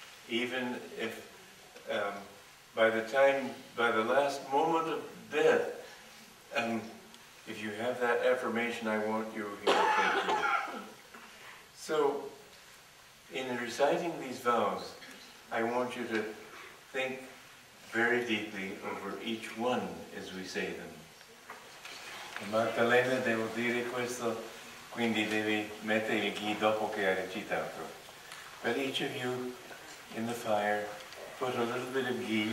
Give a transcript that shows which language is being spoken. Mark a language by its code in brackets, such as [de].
[en] Even if by the last moment of death, if you have that affirmation, I want you, He will take you. So, in reciting these vows, I want you to think very deeply over each one as we say them. [it] Maddalena, devo dire questo, quindi devi mettere il ghi dopo che hai recitato. [en] But each of you in the fire, put a little bit of ghi.